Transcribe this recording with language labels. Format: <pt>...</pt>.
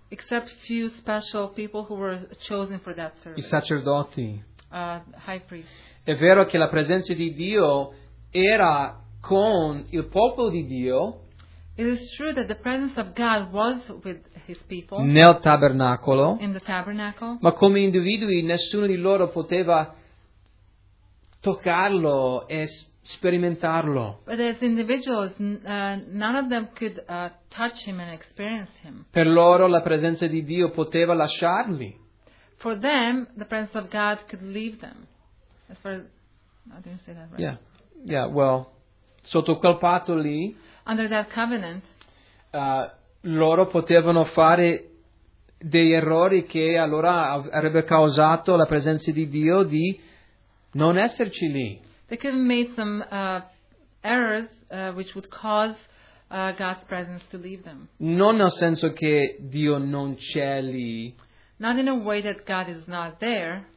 <en>Except few special people who were chosen for that service.</en> <it>I sacerdoti.</it> <en>High priest.</en> <it>È vero che la presenza di Dio era con il popolo di Dio.</it> <en>It is true that the presence of God was with His people.</en> <it>Nel tabernacolo.</it> <en>In the tabernacle.</en> <it>Ma come individui nessuno di loro poteva toccarlo e sperimentarlo.</it> <en>But as individuals, none of them could touch Him and experience Him.</en> <it>Per loro la presenza di Dio poteva lasciarli.</it> <en>For them, the presence of God could leave them. As far as, I didn't say that right. Yeah, well,</en> <it>sotto quel patto lì.</it> <en>Under that covenant,</en> <it>loro potevano fare degli errori che allora avrebbe causato la presenza di Dio di non esserci lì.</it> <en>They could have made some errors which would cause God's presence to leave them.</en> <it>Non nel senso che Dio non c'è lì.</it> <en>Not in a way that God is not there.</en>